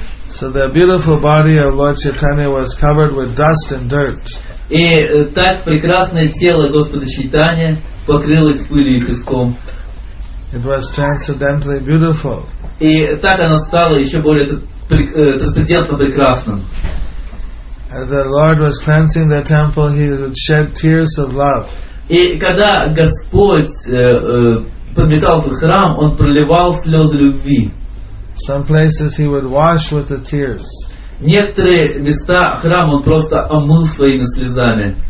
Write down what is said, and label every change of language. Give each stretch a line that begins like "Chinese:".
English: So the beautiful body of Lord Chaitanya was covered with dust and dirt.
Russian: И так прекрасное тело Господа Чайтаньи покрылось пылью и песком.
English: It was transcendentally beautiful.
Russian: И так оно стало еще более трансцендентно прекрасным.
English: As the Lord was cleansing the temple, he shed tears of love.
Russian: И когда Господь подметал этот храм, он проливал слезы любви.
English: Some places he would wash with the tears.
Russian: Некоторые места храма он просто омыл своими слезами.